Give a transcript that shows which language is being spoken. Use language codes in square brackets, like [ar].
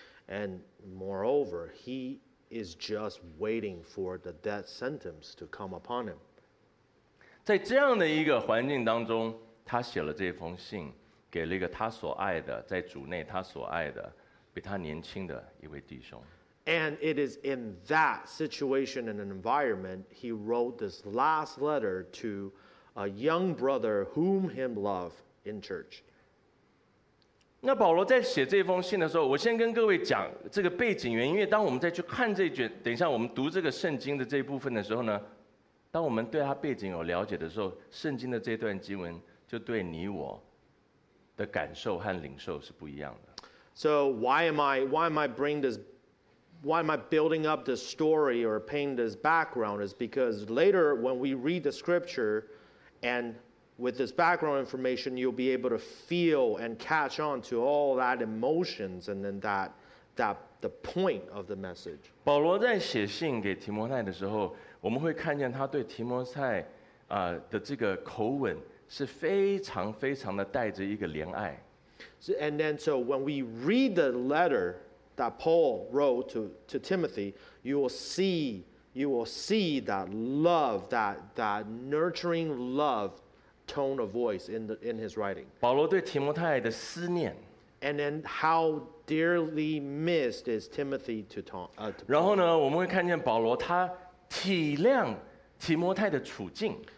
[en] And moreover, he is just waiting for the death sentence to come upon him. [zh] 在这样的一个环境当中，他写了这封信给了一个他所爱的，在主内他所爱的比他年轻的一位弟兄。 [en] And it is in that situation and environment he wrote this last letter to a young brother whom he loved in church. [zh] 那保罗在写这封信的时候，我先跟各位讲这个背景原因，因为当我们再去看这卷，等一下我们读这个圣经的这一部分的时候呢，当我们对他背景有了解的时候，圣经的这段经文就对你我的感受和领受是不一样的。 [en] So why am I bringing this why am I building up this story or painting this background is because later when we read the scripture and with this background information, you'll be able to feel and catch on to all that emotions and then that the point of the message. [zh] 保罗在写信给提摩太的时候，我们会看见他对提摩太的这个口吻是非常非常的带着一个怜爱。 [en] So, and then so when we read the letter that Paul wrote to Timothy, you will see that love, that nurturing love tone of voice in his writing. [zh] 保罗对提摩太的思念。 [en] And then how dearly missed is Timothy to Tom. [zh] 然后呢，我们会看见保罗他体谅提摩太的处境。